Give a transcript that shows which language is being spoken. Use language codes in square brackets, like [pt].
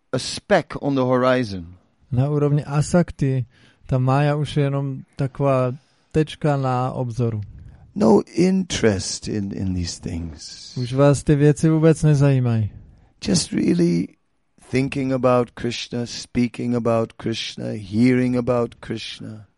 [en] a speck on the horizon. [cs] Na úrovni asakti ta mája už je jenom taková tečka na obzoru. [en] No interest in these things. [cs] Už vás ty věci vůbec nezajímají. [en] Just really thinking about Krishna, speaking about Krishna, hearing about Krishna.